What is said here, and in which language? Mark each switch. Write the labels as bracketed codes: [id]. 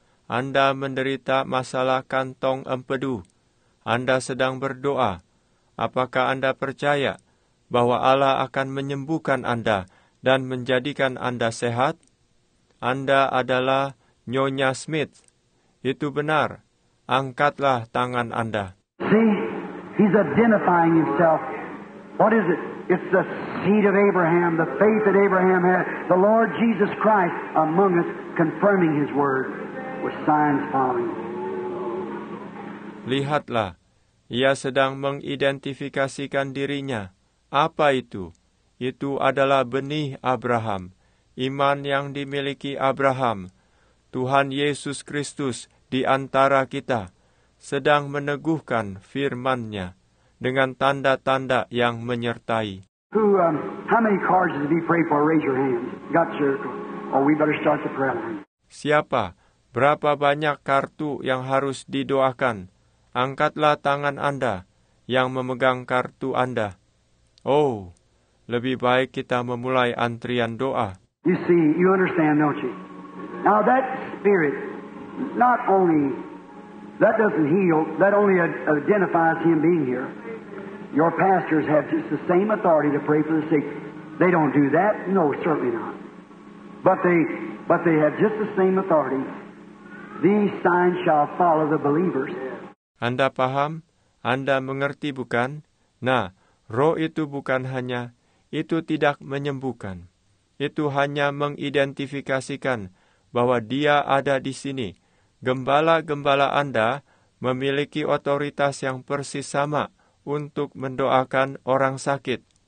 [id] Anda menderita masalah kantong empedu. Anda sedang berdoa. Apakah Anda percaya bahwa Allah akan menyembuhkan Anda dan menjadikan Anda sehat? Anda adalah Nyonya Smith. Itu benar. Angkatlah tangan Anda. [en] See, he's identifying himself. What is it? It's the seed of Abraham, the faith that Abraham had, the Lord Jesus Christ among us, confirming his word with signs following. [id] Lihatlah, ia sedang mengidentifikasikan dirinya. Apa itu? Itu adalah benih Abraham, iman yang dimiliki Abraham, Tuhan Yesus Kristus di antara kita, sedang meneguhkan firman-Nya dengan tanda-tanda yang menyertai. [en] Who, how many cards did we pray for? Raise your hand. Got your, or we better start the prayer line. [id] Siapa? Berapa banyak kartu yang harus didoakan? Angkatlah tangan Anda yang memegang kartu Anda. Oh, lebih baik kita memulai antrian doa. [en] You see, you understand, don't you? Now that spirit, not only, that doesn't heal, that only identifies him being here. Your pastors have just the same authority to pray for the sick. They don't do that? No, certainly not. But they have just the same authority. These signs shall follow the believers. [id] Anda paham? Anda mengerti bukan? Nah, roh itu bukan hanya, itu tidak menyembuhkan. Itu hanya mengidentifikasikan bahwa dia ada di sini. Gembala-gembala Anda memiliki otoritas yang persis sama untuk mendoakan orang sakit.